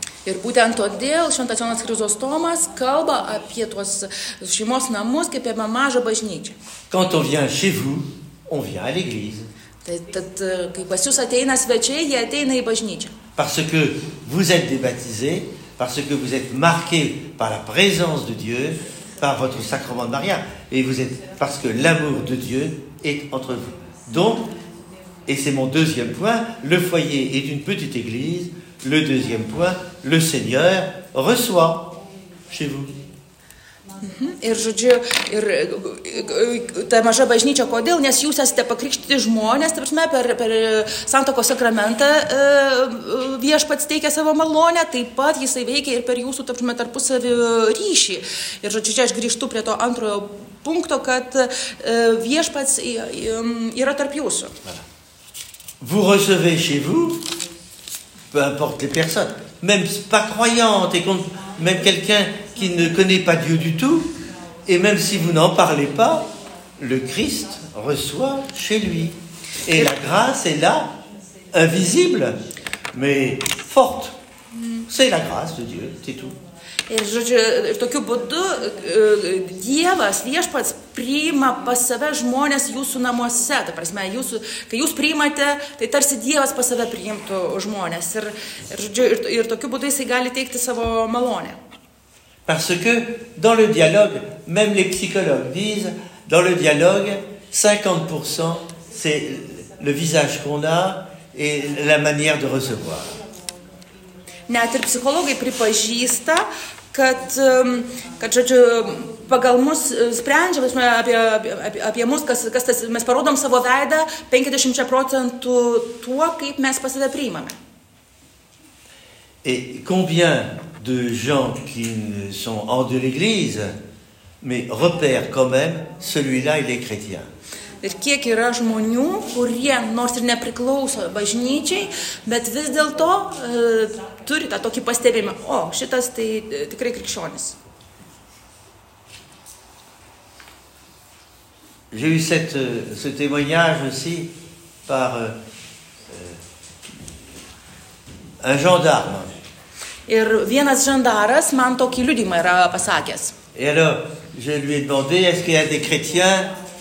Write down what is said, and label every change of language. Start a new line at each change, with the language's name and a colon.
Lithuanian: Ir būtent todėl Šventas Jonas Chrysostomas kalba apie tuos šeimos namus kaip apie mažą bažnyčią.
French: Quand on vient chez vous, on vient à l'église.
Lithuanian: Tad kai pas jūs ateina svečiai, jie ateina į bažnyčią.
French: Parce que vous êtes débaptisés, parce que vous êtes marqués par la présence de Dieu, par votre sacrement de mariage, et vous êtes parce que l'amour de Dieu est entre vous. Donc, et c'est mon deuxième point, le foyer est une petite église. Le deuxième point, le Seigneur reçoit chez vous.
Lithuanian: Ir žodžiu, ir ta maža bažnyčia, kodėl? Nes jūs esate pakrikštyti žmonės, taip prasme, per santuokos sakramentą viešpats teikia savo malonę, taip pat jisai veikia ir per jūsų, taip prasme, tarpusavį ryšį. Ir žodžiu, čia aš grįžtu prie to antrojo punkto, kad viešpats yra tarp jūsų.
French: Vous recevez chez vous, peu importe les personnes, même pas croyantes et contre... Même quelqu'un qui ne connaît pas Dieu du tout, et même si vous n'en parlez pas, le Christ reçoit chez lui. Et la grâce est là, invisible, mais forte. C'est la grâce de Dieu, c'est tout.
Lithuanian: Ir žodžiu, tokiu būdu Dievas, Viešpats, priima pas save žmonės jūsų namuose. Ta prasme, kai jūs priimate, tai tarsi Dievas pas save priimtų žmonės. Ir tokiu būdu jisai gali teikti savo malonę.
French: Parce que dans le dialogue, même les psychologues disent, dans le dialogue, 50% c'est le visage qu'on a et la manière de recevoir.
Lithuanian: Net ir psichologai pripažįsta, kad žodžiu, pagal mus sprendžia, apie mus, kas tas, mes parodom savo veidą 50% tuo, kaip mes pasave priimame.
French: Et combien de gens qui sont hors de l'église, mais repèrent quand même, celui-là, il est chrétien.
Lithuanian: Ir kiek yra žmonių, kurie nors ir nepriklauso bažnyčiai, bet vis dėlto turi tą tokį pastebėjimą, o šitas tai tikrai krikščionis.
French: J'ai eu ce témoignage aussi par un gendarme.
Lithuanian: Ir vienas žandaras man tokį liudimą yra pasakęs.
French: Et alors, je lui ai demandé, est-ce qu'il y a des chrétiens?